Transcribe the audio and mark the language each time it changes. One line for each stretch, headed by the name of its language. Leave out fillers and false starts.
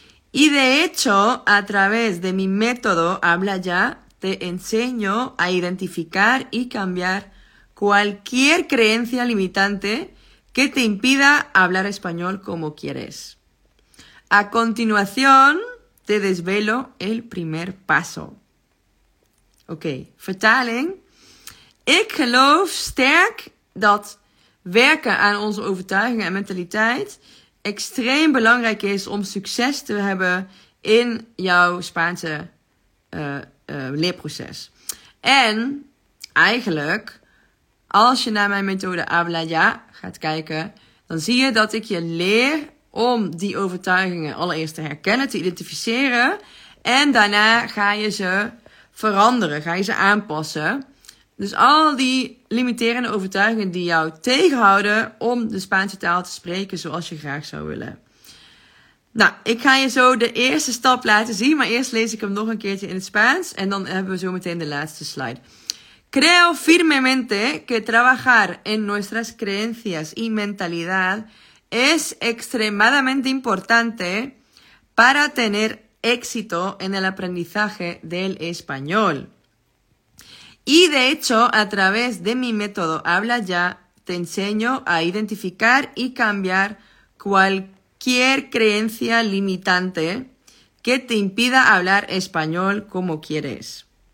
Spanish: Y de hecho, a través de mi método Habla Ya, te enseño a identificar y cambiar cualquier creencia limitante que te impida hablar español como quieres. A continuación, te desvelo el primer paso.
Dutch: Ok, vertalen. Ik geloof sterk dat werken aan onze overtuigingen en mentaliteit extreem belangrijk is om succes te hebben in jouw Spaanse leerproces. En eigenlijk, als je naar mijn methode Habla Ya gaat kijken, dan zie je dat ik je leer om die overtuigingen allereerst te herkennen, te identificeren. En daarna ga je ze veranderen, ga je ze aanpassen. Dus al die limiterende overtuigingen die jou tegenhouden om de Spaanse taal te spreken zoals je graag zou willen. Nou, ik ga je zo de eerste stap laten zien, maar eerst lees ik hem nog een keertje in het Spaans en dan hebben we zo meteen de laatste slide.
Spanish: Creo firmemente que trabajar en nuestras creencias y mentalidad es extremadamente importante para tener éxito en el aprendizaje del español. Y de hecho, a través de mi método Habla Ya, te enseño a identificar y cambiar cualquier creencia limitante que te impida hablar español como quieres.